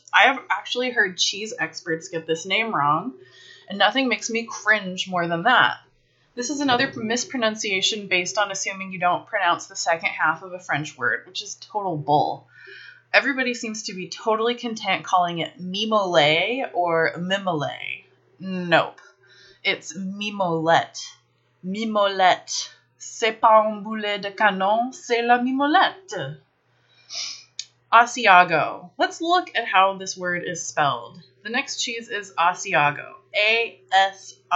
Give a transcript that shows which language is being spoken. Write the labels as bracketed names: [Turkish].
[English] I have actually heard cheese experts get this name wrong, and nothing makes me cringe more than that. This is another mispronunciation based on assuming you don't pronounce the second half of a French word, which is total bull. everybody seems to be totally content calling it Mimole or Mimole. Nope. It's Mimolette. Mimolette. [French] C'est pas un boulet de canon, c'est la Mimolette. [English] Asiago. Let's look at how this word is spelled. The next cheese is Asiago. A-S-I-A-G-O.